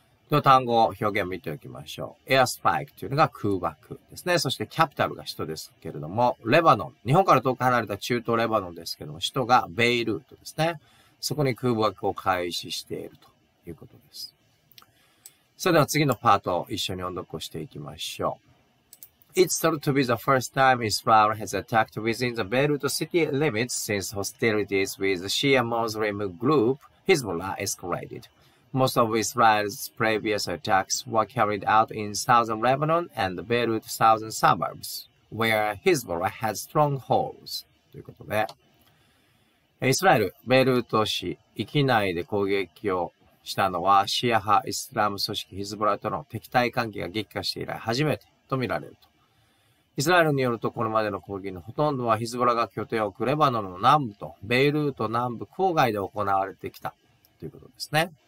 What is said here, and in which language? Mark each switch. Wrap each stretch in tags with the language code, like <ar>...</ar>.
<ja>の単語表現を見ておきましょう。エアスパイクというのが空爆ですね。そしてキャピタルが首都ですけれども、レバノン、日本から遠く離れた中東レバノンですけども、首都がベイルートですね。そこに空爆を開始しているということです。それでは次のパートを一緒に音読をしていきましょう。</ja> <en>It's thought to be the first time Israel has attacked within the Beirut city limits since hostilities with Shia Muslim group Hezbollah escalated. Most of Israel's previous attacks were carried out in southern Lebanon and Beirut southern suburbs, where Hezbollah has strongholds.</en> <ja>ということで、イスラエル、ベイルート市域内で攻撃をしたのは、シア派イスラム組織ヒズボラとの敵対関係が激化して以来初めてと見られると。イスラエルによると、これまでの攻撃のほとんどはヒズボラが拠点を置くレバノンの南部とベイルート南部郊外で行われてきた。ということですね。</ja>